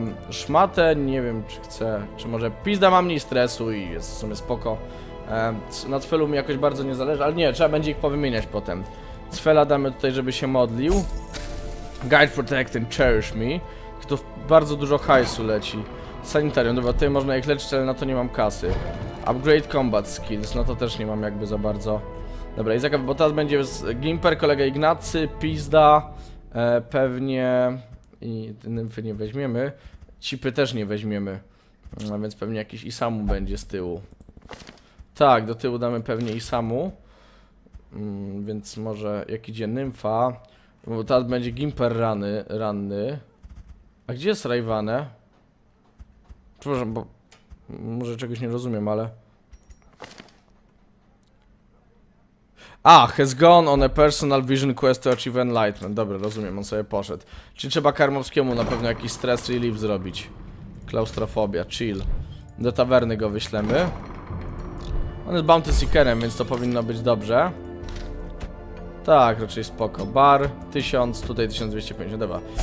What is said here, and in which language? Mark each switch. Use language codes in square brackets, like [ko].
[pl] Szmatę nie wiem czy chcę. Czy może pizda ma mniej stresu i jest w sumie spoko. Na Cfelu mi jakoś bardzo nie zależy, ale nie, trzeba będzie ich powymieniać potem. Cfela damy tutaj, żeby się modlił. [en] Guide, protect and cherish me. [pl] To bardzo dużo hajsu leci. Sanitarium, dobra, tutaj można ich leczyć, ale na to nie mam kasy. [en] Upgrade combat skills, [pl] no to też nie mam jakby za bardzo. Dobra, Izaka, bo teraz będzie z Gimper, kolega Ignacy, pizda. Pewnie... I nymfy nie weźmiemy. Cipy też nie weźmiemy. No więc pewnie jakiś Isamu będzie z tyłu. Tak, do tyłu damy pewnie Isamu. Więc może jak idzie nymfa. Bo teraz będzie Gimper ranny. A gdzie jest Rajwane? Przepraszam, bo może czegoś nie rozumiem, ale... [en] A, has gone on a personal vision quest to achieve enlightenment. [pl] Dobra, rozumiem, on sobie poszedł. Czyli trzeba Karmowskiemu na pewno jakiś stress relief zrobić. Klaustrofobia, chill. Do tawerny go wyślemy. On jest bounty seekerem, więc to powinno być dobrze. Tak, raczej spoko. Bar 1000, tutaj 1250, dobra.